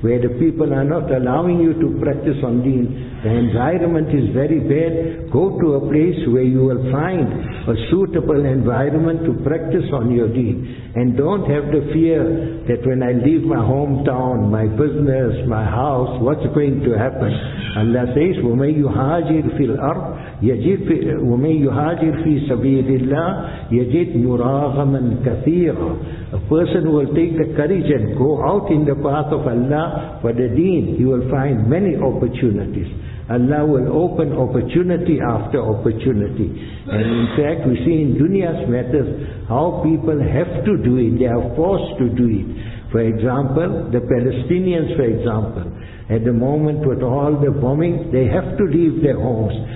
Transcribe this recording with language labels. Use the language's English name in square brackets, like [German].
[English] Where the people are not allowing you to practice on deen, the environment is very bad, go to a place where you will find a suitable environment to practice on your deen. And don't have the fear that when I leave my hometown, my business, my house, what's going to happen? Allah says, [Arabic] وَمَنْ يُحَاجِرْ فِي الْأَرْضِ يَجِدْ وَمَنْ يُحَاجِرْ فِي سَبِيلِ اللَّهِ يَجِدْ مُرَاغَمًا كَثِيرًا. [English] A person will take the courage and go out in the path of Allah for the deen. He will find many opportunities. Allah will open opportunity after opportunity. And in fact, we see in dunya's matters how people have to do it. They are forced to do it. For example, the Palestinians, for example, at the moment with all the bombing, they have to leave their homes.